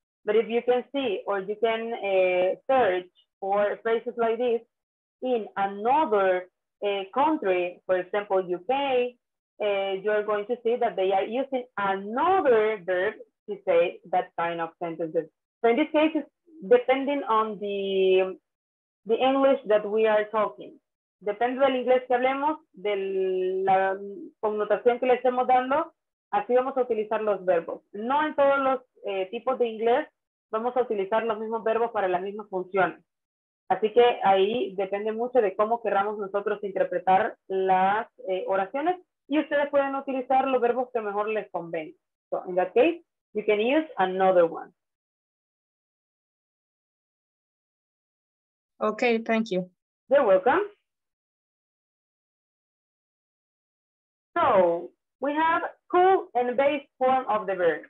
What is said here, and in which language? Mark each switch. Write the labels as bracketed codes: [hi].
[en] But if you can see or you can search for phrases like this in another country, for example, UK, you're going to see that they are using another verb to say that kind of sentences. So in this case, it's depending on the English that we are talking. [es] Depende del inglés que hablemos, de la connotación que le estemos dando, así vamos a utilizar los verbos. No en todos los tipos de inglés vamos a utilizar los mismos verbos para las mismas funciones. Así que ahí depende mucho de cómo queramos nosotros interpretar las oraciones. Y ustedes pueden utilizar los verbos que mejor les convenga. [en] So, in that case, you can use another one. Okay, thank you. You're welcome. So, we have cool and base form of the verb.